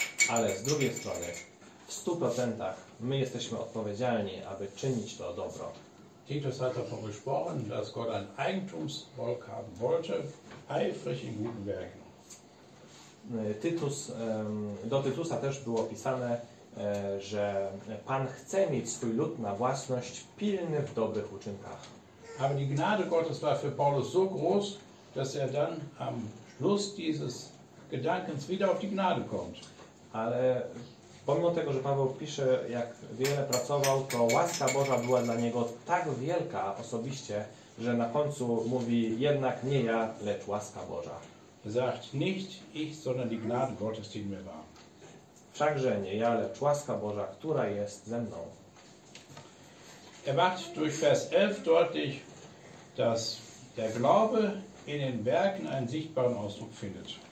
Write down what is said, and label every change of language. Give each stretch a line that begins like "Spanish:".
Polish: Ale z drugiej strony, w 100% my jesteśmy odpowiedzialni, aby czynić to dobro.
German: Titus hat davon gesprochen, dass Gott ein Eigentumsvolk haben wollte, eifrig in guten Werken.
Polish: Tytus, do Tytusa też było pisane, że Pan chce mieć swój lud na własność pilny w dobrych uczynkach.
German: Aber die Gnade Gottes war für Paulus so groß, dass er dann am Schluss dieses Gedankens wieder auf die Gnade kommt.
Polish: Ale pomimo tego, że Paweł pisze, jak wiele pracował, to łaska Boża była dla niego tak wielka osobiście, że na końcu mówi jednak nie ja, lecz łaska Boża.
German: Sagt nicht ich, sondern die Gnade Gottes, die in mir war.
Polish: Wszakże nie ja, lecz łaska Boża, która jest ze mną.
German: Er macht durch Vers 11 deutlich, dass der Glaube in den Werken einen sichtbaren Ausdruck findet.